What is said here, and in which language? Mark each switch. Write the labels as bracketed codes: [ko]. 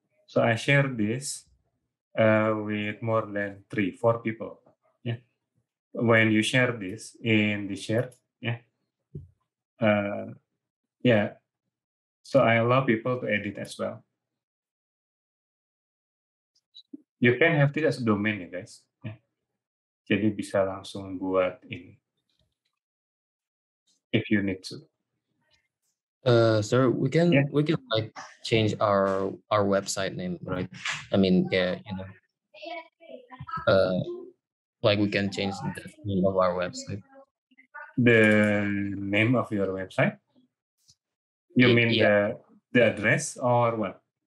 [en] So I share this with more than 3-4 people, yeah. When you share this in the share, yeah. So I allow people to edit as well. You can have this as a domain, you guys. Yeah. [id] Jadi bisa langsung buat ini [en] if you need to. Sir, we can like change our website name, right? I mean, yeah, you know, like we can change the name of our website. The name of your website? The address or what?